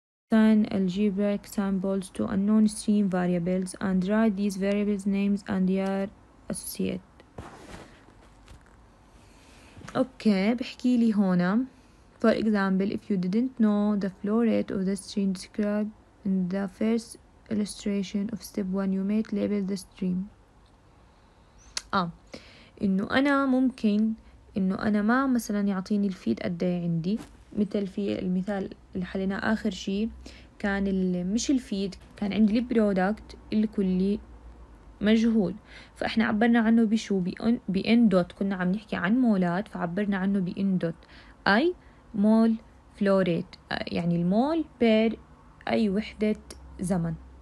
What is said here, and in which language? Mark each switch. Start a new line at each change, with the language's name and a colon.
English: Assign algebraic samples to unknown stream variables and write these variables names and their associate.
Arabic: Okay, بحكي لي هنا.
English: For example, if you didn't know the flow rate of the stream described in the first illustration of step one, you might label the stream.
Arabic: إنه أنا ممكن إنه أنا ما مثلا يعطيني الفيد قد إيه عندي. مثل في المثال اللي حليناه آخر شيء كان مش الفيد، كان عندي البرودكت الكلي مجهول، فإحنا عبرنا عنه بشو؟ بإن دوت، كنا عم نحكي عن مولات فعبرنا عنه بإن دوت، أي مول فلوريت يعني المول بير أي وحدة زمن.